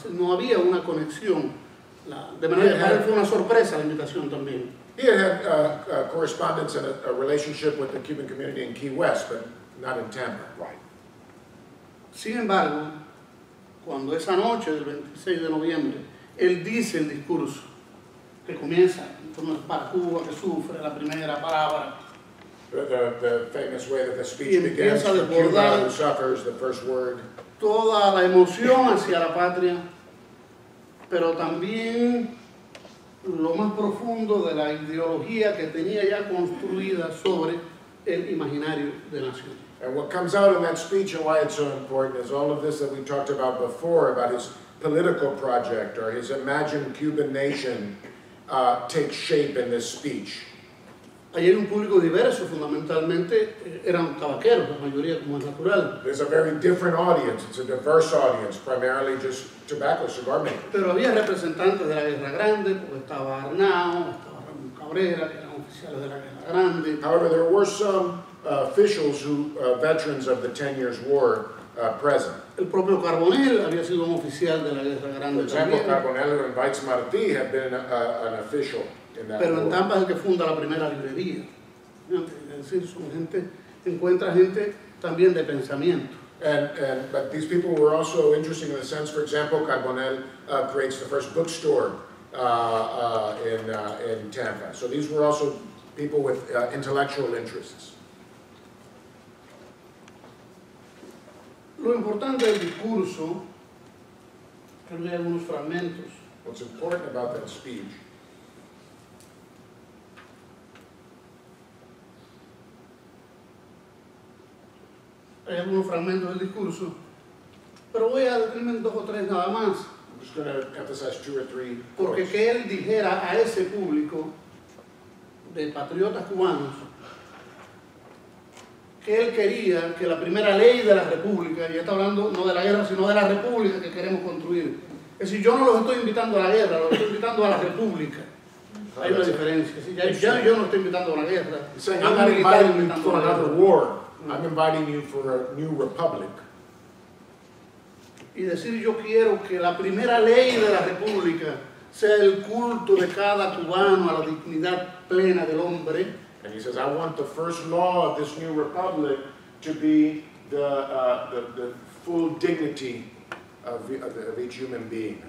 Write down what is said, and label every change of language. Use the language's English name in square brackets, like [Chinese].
[Spanish] No había una conexión. De manera que fue una sorpresa la invitación también. [English] He had correspondence and a relationship with the Cuban community in Key West, but not in Tampa. Right. [Spanish] Sin embargo, cuando esa noche del 26 de noviembre, él dice el discurso que comienza para Cuba, que sufre la primera palabra. [English] The famous way that the speech begins for Cuba, who suffers, the first word. [Spanish] Toda la emoción hacia la patria, pero también lo más profundo de la ideología que tenía ya construida sobre el imaginario de nación. [English] And what comes out in that speech and why it's so important is all of this that we talked about before, about his political project or his imagined Cuban nation takes shape in this speech. [Spanish] Allí hay un público diverso, fundamentalmente eran tabaqueros, la mayoría como es natural. [English] There's a very different audience, it's a diverse audience, primarily just tobacco, cigar makers. [Spanish] Pero había representantes de la Guerra Grande, porque estaba Arnao, estaba Ramón Cabrera, que eran oficiales de la Guerra Grande. [English] However, there were some officials who, veterans of the 10 Years' War, present. [Spanish] El propio Carbonell había sido un oficial de la Guerra Grande también. [English] For example, Carbonell, who invites Martí, had been an official. [Spanish] Pero en Tampa es el que funda la primera librería. Es decir, son gente, encuentra gente también de pensamiento. [English] But these people were also interesting in the sense, for example, Carbonell creates the first bookstore in Tampa. So these were also people with intellectual interests. [Spanish] Lo importante del discurso, que leí algunos fragmentos. [English] What's important about that speech? [Spanish] Hay algunos fragmentos del discurso, pero voy a detenerme en dos o tres nada más. [English] I'm just going to emphasize two or three. [Spanish] Porque que él dijera a ese público de patriotas cubanos que él quería que la primera ley de la República, y está hablando no de la guerra, sino de la República que queremos construir. Es decir, yo no los estoy invitando a la guerra, los estoy invitando a la República. Hay una diferencia. Yo no estoy invitando a la guerra. [English] I'm not inviting you to another war. I'm inviting you for a new republic. [Spanish] Y decir yo quiero que la primera ley de la república sea el culto de cada cubano a la dignidad plena del hombre. [English] And he says, I want the first law of this new republic to be the full dignity of each human being.